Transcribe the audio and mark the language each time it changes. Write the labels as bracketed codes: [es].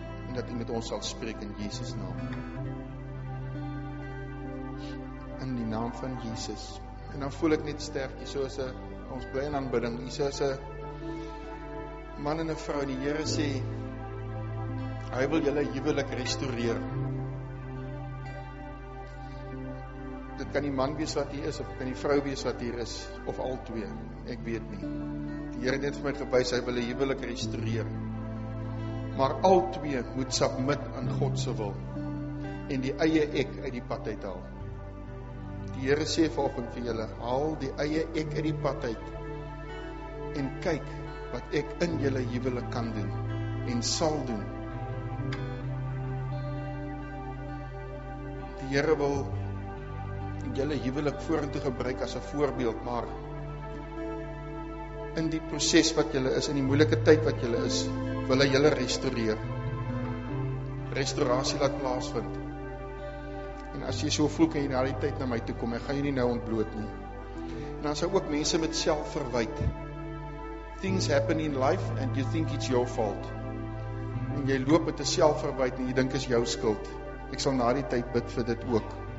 [af] En dat u met ons sal spreek in Jesus naam. In die naam van Jesus. En dan voel ek net sterk, hier soos ons bly in aanbidding, hier soos 'n man en 'n vrou, die Here sê, hy wil julle huwelik restoreer. Dit kan die man wees wat hier is, of kan die vrou wees wat hier is, of al twee, ek weet nie. Die Here het vir my gewys, hy wil 'n huwelik restoreer. Maar al twee moet submit aan God se wil, en die eie ek uit die pad uithaal. Die Here sê vanoggend vir julle, haal die eie ek uit die pad uit, en kyk wat ek in julle huwelik kan doen, en sal doen. Die Here wil julle huwelik vorentoe gebruik as 'n voorbeeld, maar in die proses wat julle is, in die moeilike tyd wat julle is, wil hy julle restoreer. Restaurasie laat plaasvind. En as jy so voel, kan jy na die tyd na my toe kom, ek gaan jy nie nou ontbloot nie. En dan sou ook mense met self verwyd. [en] Things happen in life and you think it's your fault. [af] En jy loop met 'n self verwyd en jy dink is jou skuld. Ek sal na die tyd bid vir dit ook.